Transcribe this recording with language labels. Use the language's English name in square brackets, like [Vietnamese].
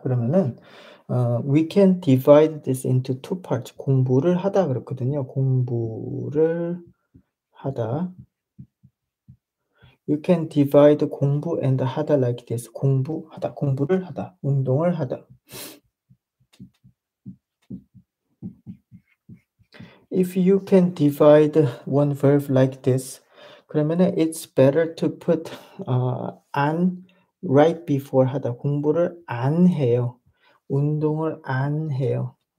[English] 그러면은 we can divide this into two parts. [Korean] 공부를 하다 그랬거든요. [English] 공부를 하다. You can divide 공부 and 하다 like this. [Korean] 공부하다, 공부를 하다, 운동을 하다. [English] If you can divide one verb like this. 그러면은 it's better to put an right before 하다. [Korean] 공부를 안 해요. 운동을 안 해요.